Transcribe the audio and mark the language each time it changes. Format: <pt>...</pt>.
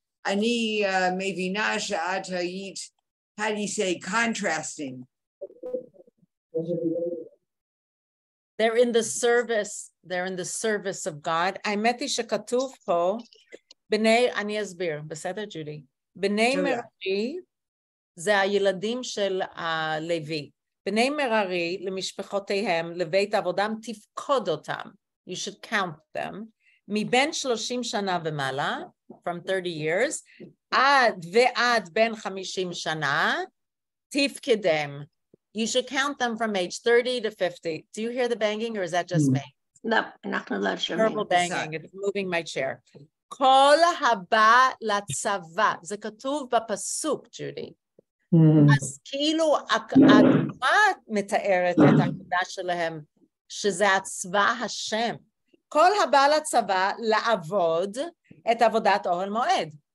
<he>אני מבינה שאת היית,</he> <en>how do you say, contrasting. They're in the service of God.</en> <he>האמת היא שכתוב פה, אני אסביר, בסדר, ג'ודי? בני מרבי, זה הילדים של הלוי. בני מררי למשפחותיהם, לבית עבודם, תפקוד אותם.</he> <en>You should count them.</en> <he>מבין 30 שנה ומעלה,</he> <en>from 30 years,</en> <he>ועד בין 50 שנה, תפקדם.</he> <en>You should count them from age 30 to 50. Do you hear the banging or is that just me?</en> <he>No, אנחנו לא שומעים.</he> <en>Terrible banging, it's moving my chair.</en> <he>כל הבא לצבא, זה כתוב בפסוק, ג'ודי. אז כאילו הדוגמה מתארת את העבודה שלהם, שזה הצבא השם. כל הבא לצבא לעבוד את עבודת אוהל מועד.</he>